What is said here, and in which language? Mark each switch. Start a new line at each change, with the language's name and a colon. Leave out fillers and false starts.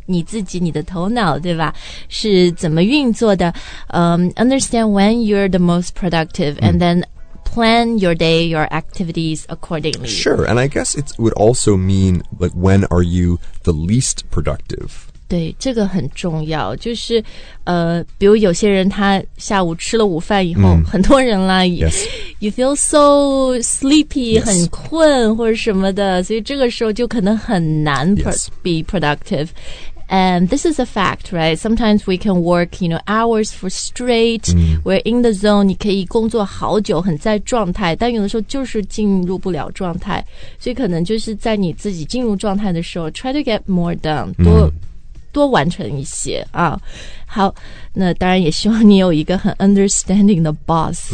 Chinese: 你自己，你的头脑，对吧？是怎么运作的？
English: Understand when you're the most productive,、嗯、and then... Plan your day, your activities accordingly. Sure, and I guess it would also mean, like, when are you the least productive?
Chinese: 对，这个很重要，就是，比如有些人他下午吃了午饭以后，很多人啦
English: ，yes, you feel so sleepy,、 yes.
Chinese: 很困或者什么的，所以这个时候就可能很难
English: yes. be productive. And this is a fact, right? Sometimes we can work, you know, hours for straight.、 Mm. We're in the zone.
Chinese: 你可以工作好久，很在状态。但有的时候就是进入不了状态。所以可能就是在你自己进入状态的时候 ，
English: try to get more done,
Chinese: 多完成一些啊。好，那当然也希望你有一个很 understanding 的 boss，、